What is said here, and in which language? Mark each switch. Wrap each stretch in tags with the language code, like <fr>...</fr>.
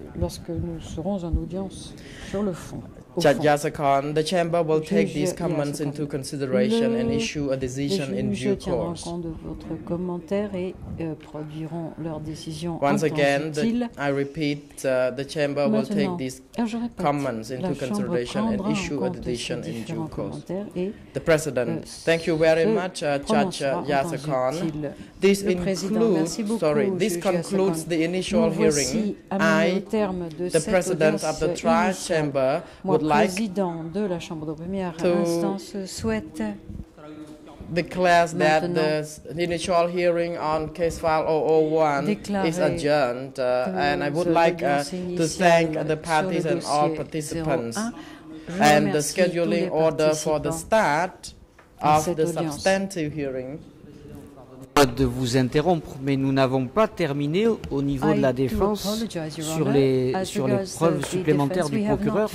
<fr>Lorsque nous serons en audience sur le fond.</fr> <en>Judge Yasakon, the chamber will take these comments into consideration and issue a decision in due course.</en> <fr>Je tiendrai compte de votre commentaire et produiront leur décision.</fr> <en>Once again, I repeat, the chamber will take these comments into consideration and issue a decision in due course. The President, thank you very much, Judge Yasakon. This includes, this concludes the initial hearing. I, the President of the trial chamber,</en> <fr>le président de la Chambre de première instance souhaite</fr> <en>declare that the initial hearing on case file 001 is adjourned. And I would like to thank the parties and all participants. And the scheduling order for the start of the substantive hearing.</en> <fr>De vous interrompre, mais nous n'avons pas terminé au niveau de la défense sur les preuves supplémentaires du procureur.</fr>